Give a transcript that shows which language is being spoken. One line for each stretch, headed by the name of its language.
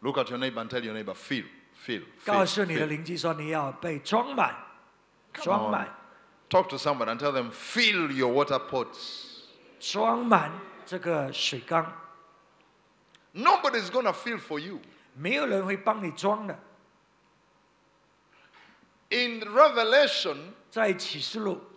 English: Look at your neighbor and tell your neighbor, "Fill, fill."
Chinese: 告诉你的邻居说：“你要被装满，装满。”
English: Talk to someone and tell them, "Fill your water pots."
Chinese: 装满这个水缸,
English: nobody's going to fill for you.
Chinese: 没有人会帮你装的。
English: In Revelation,
Chinese: 在启示录,